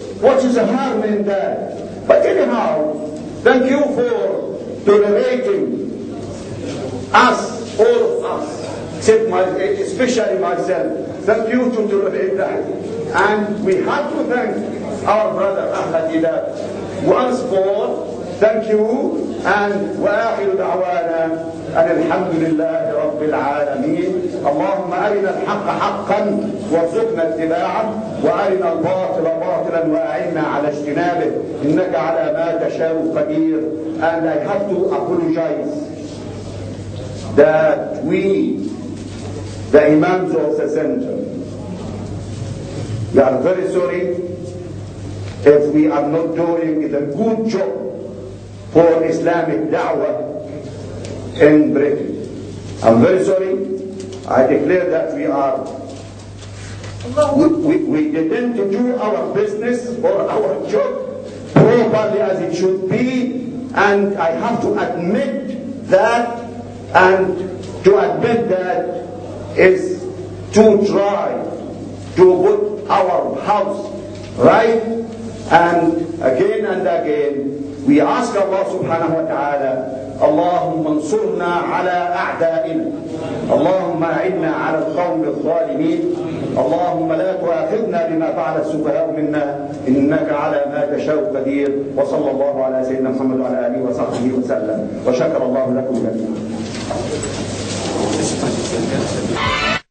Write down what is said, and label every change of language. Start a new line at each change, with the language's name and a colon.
English: What is the harm in that? But anyhow, thank you for tolerating us, all of us, except especially myself. Thank you to tolerate that. And we have to thank our brother Ahmed Deedat. Once more, thank you.
Arabic: And وآخر دعوانا أن الحمد لله رب العالمين اللهم أرنا الحق حقا وارزقنا اتباعه وأرنا الباطل باطلا وأعنا على اجتنابه إنك على ما تشاء قدير.
English: And I have to apologize that we, the Imams of the Center, we are very sorry if we are not doing the good job for Islamic da'wah in Britain. I'm very sorry. I declare that we didn't do our business or our job properly as it should be, and I have to admit that, and to admit that is to try to put our house right. And again, we ask Allah subhanahu wa ta'ala,
Arabic: اللهم انصرنا على أعدائنا اللهم أعدنا على القوم الظالمين اللهم لا تؤاخذنا بما فعل السفهاء منا إنك على ما تشاء قدير وصلى الله على سيدنا محمد وعلى آله وصحبه وسلم وشكر الله لكم جميعا.